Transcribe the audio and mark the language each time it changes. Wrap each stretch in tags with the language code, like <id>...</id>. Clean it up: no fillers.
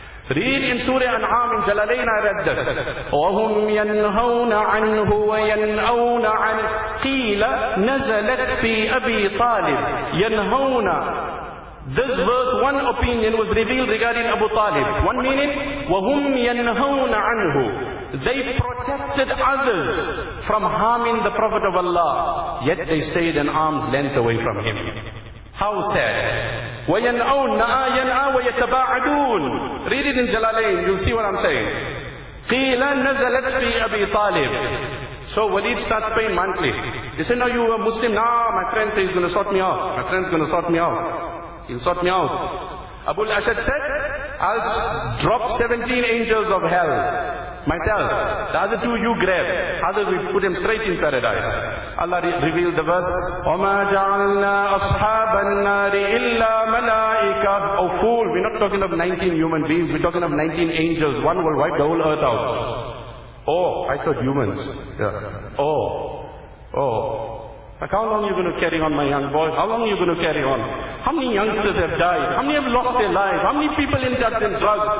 <en>read in Surah An'am in Jalalain, I read this.</en> <ar>وَهُمْ يَنْهَوْنَ عَنْهُ وَيَنْأَوْنَ عَنْهُ قِيلَ نَزَلَتْ فِي أَبِي طَالِبٍ يَنْهَوْنَ.</ar> <en>This verse, one opinion was revealed regarding Abu Talib. One meaning,</en> <ar>وَهُمْ يَنْهَوْنَ عَنْهُ.</ar> <en>They protected others from harming the Prophet of Allah, yet they stayed an arm's length away from him. How sad.</en> <ar>وَيَنْعَوْنَا يَنْعَى وَيَتَبَاعَدُونَ.</ar> <en>Read it in Jalalain, you'll see what I'm saying.</en> <ar>قِيلَ نَزَلَتْ فِي أَبِي طَالِبٍ.</ar> <en>So Waleed starts paying monthly. He said, now you a Muslim? Nah, my friend says he's going to sort me out. My friend's going to sort me out. He'll sort me out. Abu al-Ashad said, I'll drop 17 angels of hell. Myself, the other two you grab, others we put him straight in paradise. Allah revealed the verse,</en> <ar>وَمَا جَعَلْنَا أَصْحَابَ النَّارِ إِلَّا مَلَائِكَ.</ar> <en>Oh fool, we're not talking of 19 human beings, we're talking of 19 angels. One will wipe the whole earth out. Oh, I thought humans. Yeah. Oh, oh. Like, how long are you going to carry on, my young boy? How long are you going to carry on? How many youngsters have died? How many have lost their lives? How many people indulged in drugs?</en>